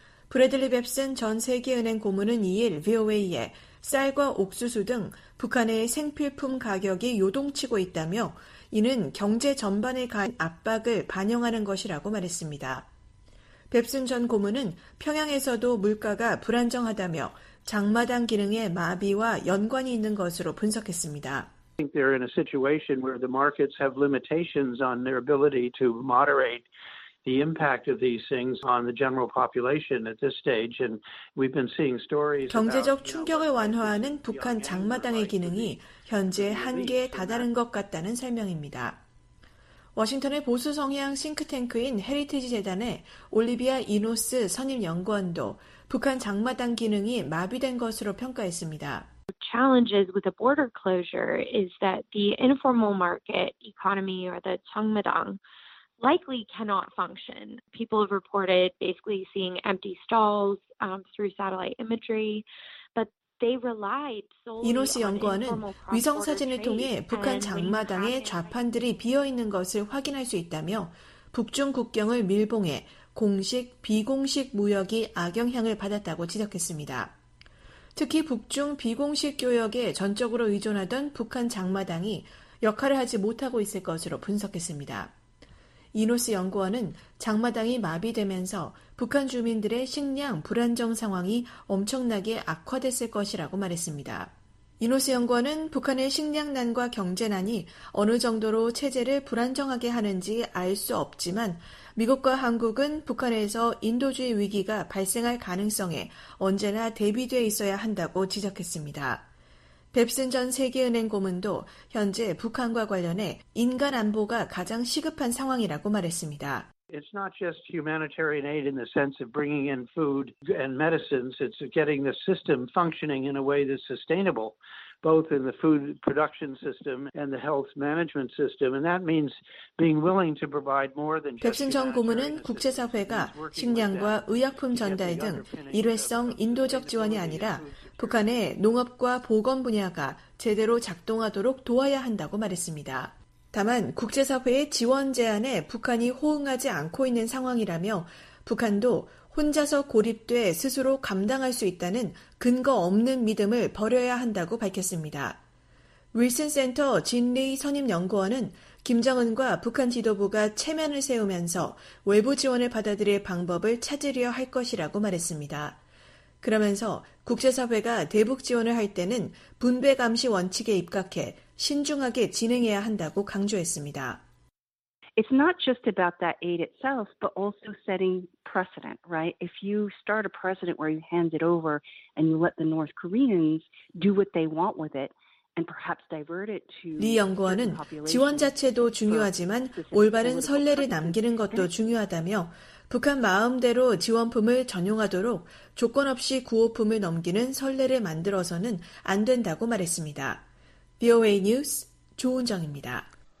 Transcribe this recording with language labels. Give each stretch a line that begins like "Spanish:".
Korean: 브래들리 뱁슨 전 세계은행 고문은 2일 VOA에 쌀과 옥수수 등 북한의 생필품 가격이 요동치고 있다며 이는 경제 전반에 가한 압박을 반영하는 것이라고 말했습니다. 뱁슨 전 고문은 평양에서도 물가가 불안정하다며 장마당 기능의 마비와 연관이 있는 것으로 분석했습니다.
English: I think they're in a situation where the markets have limitations on their ability to moderate the impact of these things on the general population at this stage. And we've been seeing stories.
Korean: 경제적 충격을 완화하는 북한 장마당의 기능이 현재 한계에 다다른 것 같다는 설명입니다. 워싱턴의 보수 성향 싱크탱크인 헤리티지 재단의 올리비아 이노스 선임 연구원도 북한 장마당 기능이 마비된 것으로 평가했습니다.
English: Challenges with the border closure is that the informal market economy or the changmadang likely cannot function. People have reported basically seeing empty stalls through satellite imagery, but they relied solely.
Korean: 이노스 연구원은 위성 사진을 통해 북한 장마당의 좌판들이 비어 있는 것을 확인할 수 있다며 북중 국경을 밀봉해 공식 비공식 무역이 악영향을 받았다고 지적했습니다. 특히 북중 비공식 교역에 전적으로 의존하던 북한 장마당이 역할을 하지 못하고 있을 것으로 분석했습니다. 이노스 연구원은 장마당이 마비되면서 북한 주민들의 식량 불안정 상황이 엄청나게 악화됐을 것이라고 말했습니다. 이노스 연구원은 북한의 식량난과 경제난이 어느 정도로 체제를 불안정하게 하는지 알 수 없지만 미국과 한국은 북한에서 인도주의 위기가 발생할 가능성에 언제나 대비돼 있어야 한다고 지적했습니다. 뱁슨 전 세계은행 고문도 현재 북한과 관련해 인간 안보가 가장 시급한 상황이라고 말했습니다.
English: It's not just humanitarian aid in the sense of bringing in food and medicines. It's getting the system functioning in a way that's sustainable, both in the food production system and the health management system. And that means being willing to provide more than just.
Korean: 뱁슨 전 고문은 국제사회가 식량과 의약품 전달 등 일회성 인도적 지원이 아니라 북한의 농업과 보건 분야가 제대로 작동하도록 도와야 한다고 말했습니다. 다만 국제사회의 지원 제안에 북한이 호응하지 않고 있는 상황이라며 북한도 혼자서 고립돼 스스로 감당할 수 있다는 근거 없는 믿음을 버려야 한다고 밝혔습니다. 윌슨 센터 진리 선임 연구원은 김정은과 북한 지도부가 체면을 세우면서 외부 지원을 받아들일 방법을 찾으려 할 것이라고 말했습니다. 그러면서 국제사회가 대북 지원을 할 때는 분배 감시 원칙에 입각해 신중하게 진행해야 한다고 강조했습니다.
English: It's not just about that aid itself, but also setting precedent, right? If you start a precedent where you hand it over and you let the North Koreans do what they want with it and perhaps divert it to.
Korean: 리 연구원은 지원 자체도 중요하지만 올바른 선례를 남기는 것도 중요하다며 북한 마음대로 지원품을 전용하도록 조건 없이 구호품을 넘기는 선례를 만들어서는 안 된다고 말했습니다. VOA 뉴스 조은정입니다.